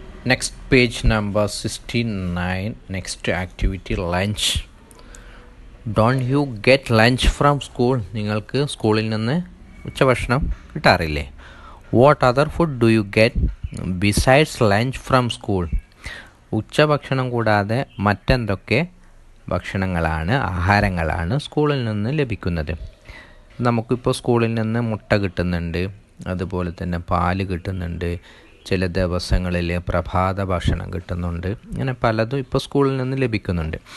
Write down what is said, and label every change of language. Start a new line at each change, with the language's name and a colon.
English: Next page number 69, next activity lunch. Don't you get lunch from school?
Malayalam: നിങ്ങൾക്ക് സ്കൂളിൽ നിന്ന് ഉച്ചഭക്ഷണം കിട്ടാറില്ലേ?
English: What other food do you get besides lunch from school?
Malayalam: ഉച്ചഭക്ഷണം കൂടാതെ മറ്റെന്തൊക്കെ ഭക്ഷണങ്ങളാണ് ആഹാരങ്ങളാണ് സ്കൂളിൽ നിന്ന് ലഭിക്കുന്നത്? നമുക്കിപ്പോൾ സ്കൂളിൽ നിന്ന് മുട്ട കിട്ടുന്നുണ്ട്, അതുപോലെ തന്നെ പാല് കിട്ടുന്നുണ്ട്, ചില ദിവസങ്ങളിൽ പ്രഭാത ഭക്ഷണം കിട്ടുന്നുണ്ട്, ഇങ്ങനെ പലതും ഇപ്പോൾ സ്കൂളിൽ നിന്ന് ലഭിക്കുന്നുണ്ട്.